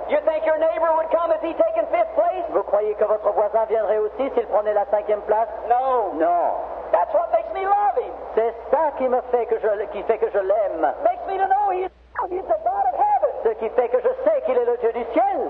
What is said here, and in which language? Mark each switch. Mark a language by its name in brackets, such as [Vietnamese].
[English] You think your neighbor would come if he'd taken fifth place? [French] Vous croyez que votre voisin viendrait aussi s'il prenait la cinquième place? [English] No. [French] Non. [English] That's what makes me love him. [French] C'est ça qui fait que je l'aime. [English] Makes me to know he's the God of heaven. [French] Ce qui fait que je sais qu'il est le Dieu du ciel.